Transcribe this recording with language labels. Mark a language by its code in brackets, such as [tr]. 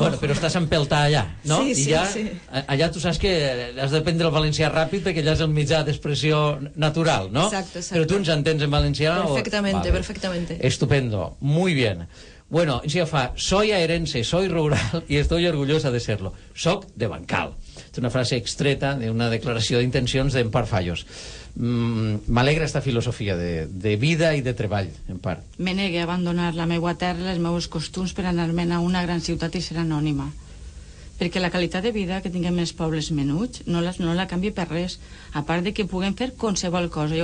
[ca] Bueno, però estàs empeltada allà, no? Sí, allà, sí. Allà tu saps que has de prendre el valencià ràpid, perquè allà és el mitjà d'expressió natural, no? Exacte, exacte. Però tu ens entens en valencià? [es] Perfectamente, vale. Perfectamente. Estupendo. Muy bien. Bueno, [ca] si ho fa, [es] soy aerense, soy rural y estoy orgullosa de serlo. [ca] Soc de Bancal. És una frase extreta d'una declaració d'intencions d'Empar Fallos. M'alegra esta filosofia de vida i de treball, Empar. Me negue a abandonar la meua terra, les meus costums, per anar-me'n a una gran ciutat i ser anònima. Perquè la qualitat de vida que tinguem els pobles menuts no la canvia per res, a part de que puguem fer qualsevol cosa.